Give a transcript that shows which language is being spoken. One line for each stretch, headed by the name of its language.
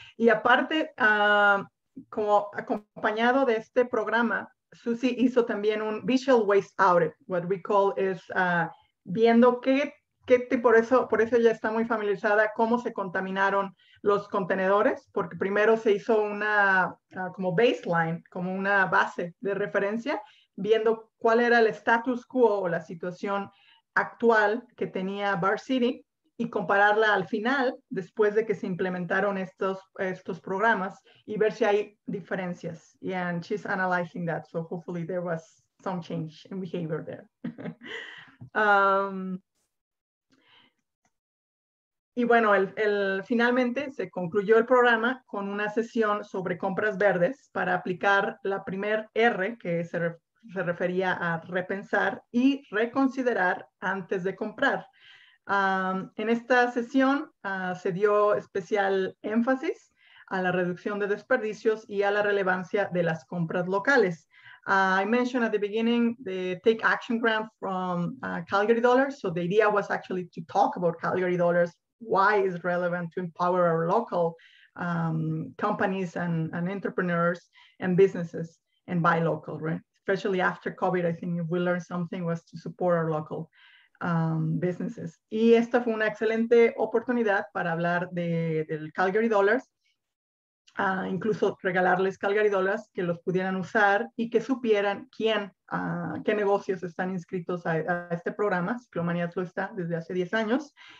Spanish: Y aparte, como acompañado de este programa, Susi hizo también un visual waste audit,
English: what we call is
Spanish: viendo que por eso ya está muy familiarizada cómo se contaminaron los contenedores, porque primero se hizo una como baseline, como una base de referencia, viendo cuál era el status quo o la situación actual que tenía Bar City y compararla al final, después de que se implementaron estos programas, y ver si hay diferencias.
English: And she's analyzing that, so hopefully there was some change in behavior there.
Spanish: Y bueno, finalmente se concluyó el programa con una sesión sobre compras verdes para aplicar la primer R, que se refería a repensar y reconsiderar antes de comprar. En esta sesión se dio especial énfasis a la reducción de desperdicios y a la relevancia de las compras locales.
English: I mentioned at the beginning the Take Action Grant from Calgary Dollars. So the idea was actually to talk about Calgary Dollars, why it's relevant to empower our local companies and entrepreneurs and businesses and buy local, right? Especially after COVID, I think if we learned something was to support our local businesses.
Spanish: Y esta fue una excelente oportunidad para hablar del Calgary Dollars, incluso regalarles Calgary Dollars, que los pudieran usar y que supieran quién, qué negocios están inscritos a este programa. Ciclomanías lo está desde hace 10 años.